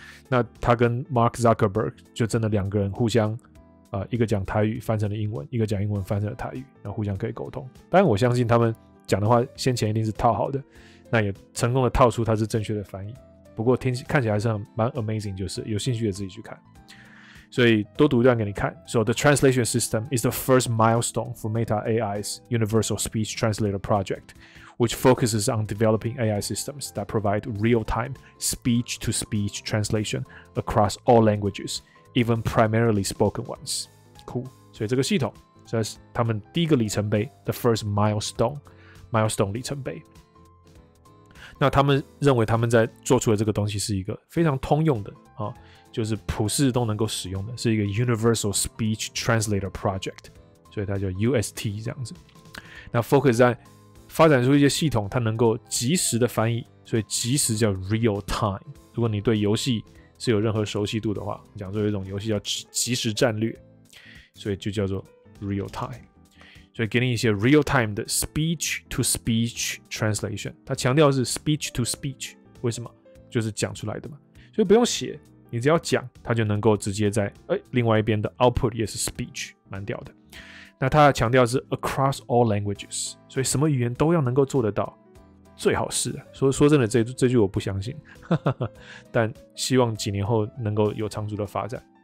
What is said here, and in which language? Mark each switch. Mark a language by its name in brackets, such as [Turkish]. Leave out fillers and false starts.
[Chinese] 那他跟 Mark Zuckerberg 就真的两个人互相，一个讲台语翻成了英文，一个讲英文翻成了台语，然后互相可以沟通。当然我相信他们讲的话先前一定是套好的，那也成功的套出他是正确的翻译。不过看起来是蛮 amazing， 就是有兴趣的自己去看。所以多读一段给你看。 [English] So the translation system is the first milestone for Meta AI's Universal Speech Translator Project, which focuses on developing AI systems that provide real-time speech-to-speech translation across all languages, even primarily spoken ones. Cool. [Chinese] 所以这个系统，这是他们第一个里程碑 ， [English] the first milestone [Chinese] 里程碑。那他们认为他们在做出的这个东西是一个非常通用的、啊、就是普世都能够使用的，是一个 Universal Speech Translator Project， 所以它叫 UST 这样子。那 focus 在发展出一些系统，它能够即时的翻译，所以即时叫 real time。如果你对游戏是有任何熟悉度的话，讲说有一种游戏叫即时战略，所以就叫做 real time。所以给你一些 real time 的 [English] speech to speech translation， [Chinese] 它强调是 speech to speech， 为什么？就是讲出来的嘛，所以不用写，你只要讲，它就能够直接在、欸、另外一边的 output 也是 speech， 蛮屌的。那它强调是 [English] across all languages， [Chinese] 所以什么语言都要能够做得到，最好是。说真的这句我不相信，但希望几年后能够有长足的发展。